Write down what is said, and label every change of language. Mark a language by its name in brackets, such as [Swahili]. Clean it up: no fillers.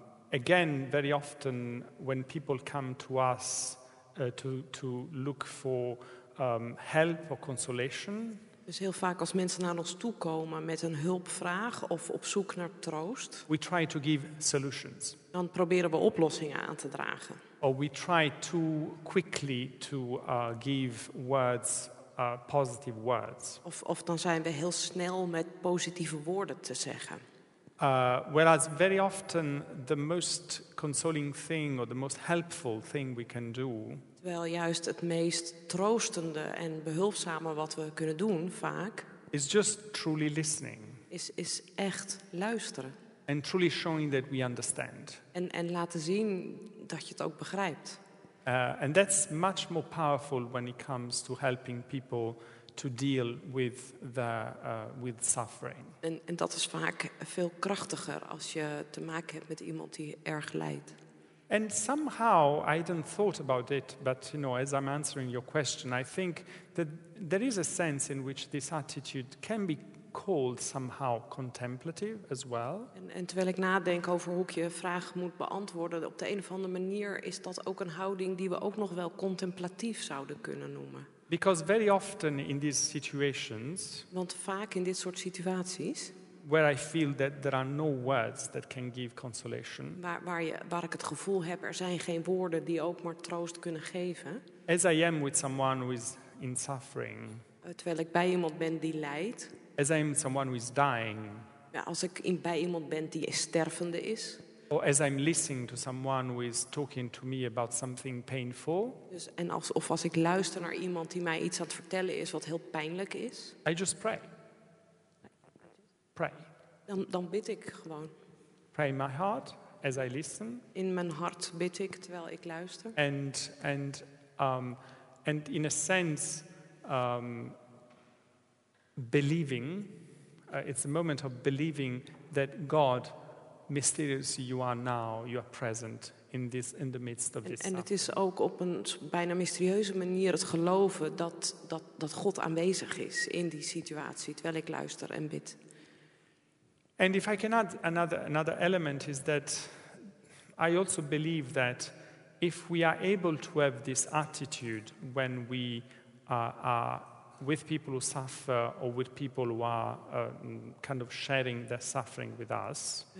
[English] Again, very often when people come to us to look for help or consolation. [Dutch] Dus heel vaak als mensen naar ons toe komen met een hulpvraag of op zoek naar troost. [English] We try to give solutions. [Dutch] Dan proberen we oplossingen aan te dragen. [English] Or we try too quickly to give words. Positive words. [Dutch] Of dan zijn we heel snel met positieve woorden te zeggen. [English] Whereas very often the most consoling thing or the most helpful thing we can do. [Dutch] Terwijl juist het meest troostende en behulpzame wat we kunnen doen vaak. [English] Is just truly listening. [Dutch] Is echt luisteren. [English] And truly showing that we understand. [Dutch] En laten zien dat je het ook begrijpt. [English] And that's much more powerful when it comes to helping people to deal with with suffering. [Dutch] En dat is vaak veel krachtiger als je te maken hebt met iemand die erg lijdt. [English] And somehow I hadn't thought about it, but you know, as I'm answering your question, I think that there is a sense in which this attitude can be called somehow contemplative as well. [Dutch] En terwijl ik nadenk over hoe ik je vraag moet beantwoorden, op de een of andere manier is dat ook een houding die we ook nog wel contemplatief zouden kunnen noemen. [English] Because very often in these situations, [Dutch] want vaak in dit soort situaties, [English] where I feel that there are no words that can give consolation, [Dutch] waar ik het gevoel heb er zijn geen woorden die ook maar troost kunnen geven. [English] As I am with someone who is in suffering, [Dutch] terwijl ik bij iemand ben die lijdt. [English] As I'm someone who is dying. [Dutch] Ja, als ik bij iemand ben die stervende is. [English] Or as I'm listening to someone who is talking to me about something painful. [Dutch] Dus en als ik luister naar iemand die mij iets aan het vertellen is wat heel pijnlijk is. [English] I just pray. pray. [Dutch] Dan bid ik gewoon. [English] Pray in my heart as I listen. [Dutch] In mijn hart bid ik terwijl ik luister. [English] And in a sense, believing, it's a moment of believing that God, mysteriously, you are now, you are present in this, in the midst of this. [Dutch] En het is ook op een bijna mysterieuze manier het geloven dat God aanwezig is in die situatie terwijl ik luister en bid. [English] And if I can add another element is that I also believe that if we are able to have this attitude when we are with people who suffer or with people who are kind of sharing their suffering with us.